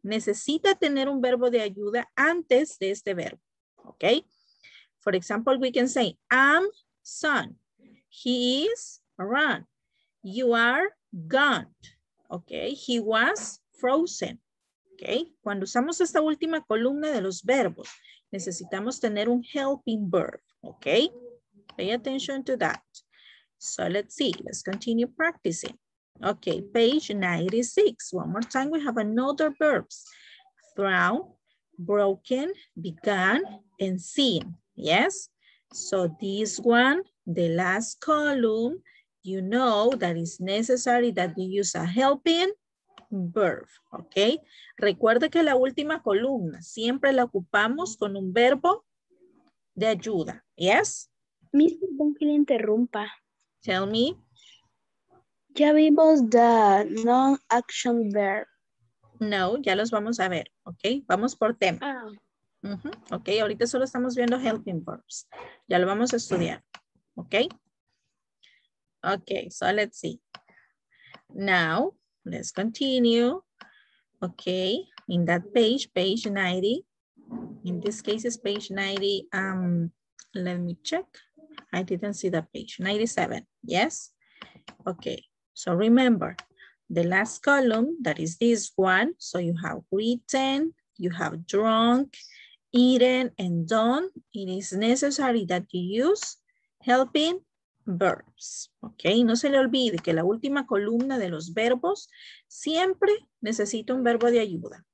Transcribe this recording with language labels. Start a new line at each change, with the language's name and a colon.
Spanish: Necesita tener un verbo de ayuda antes de este verbo, okay?
English: For example, we can say, I'm son, he is run, you are gone, okay? He was frozen, okay?
Spanish: Cuando usamos esta última columna de los verbos, necesitamos tener un helping verb, okay?
English: Pay attention to that. So let's see, let's continue practicing. Okay, page 96. One more time, we have another verbs. Thrown, broken, began, and seen. Yes? So this one, the last column, you know that it's necessary that we use a helping verb, ¿ok?
Spanish: Recuerde que la última columna siempre la ocupamos con un verbo de ayuda, ¿yes? Mismo con que le interrumpa.
English: Tell me.
Spanish: Ya vimos
English: the non-action verb.
Spanish: No, ya los vamos a ver, ¿ok? Vamos por tema. Ah. Ok, ahorita solo estamos viendo helping verbs. Ya lo vamos a estudiar, ¿ok?
English: Ok, so let's see. Now, let's continue. Ok, in that page, page 90. In this case, it's page 90. Let me check. I didn't see that page. 97, yes? Ok, so remember, the last column, that is this one. So you have written, you have drunk, eaten, and done. It is necessary that you use helping verbs.
Spanish: Ok, no se le olvide que la última columna de los verbos siempre necesita un verbo de ayuda.